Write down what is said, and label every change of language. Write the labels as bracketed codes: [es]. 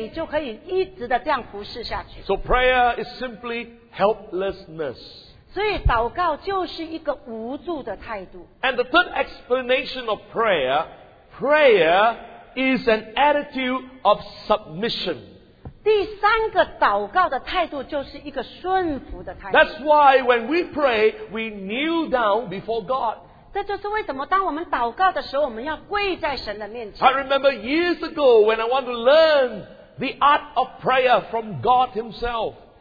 [zh] 神就说你要持久谦卑，你就可以一直的这样服侍下去。 [en] So prayer is simply helplessness. [zh] 所以祷告就是一个无助的态度。 [en] And the third explanation of prayer, prayer is an attitude of submission. [zh] 第三个祷告的态度就是一个顺服的态度。 [en] That's why when we pray, we kneel down before God. [zh] 这就是为什么当我们祷告的时候，我们要跪在神的面前。 [en] I remember years ago when I want to learn the art of prayer from God Himself.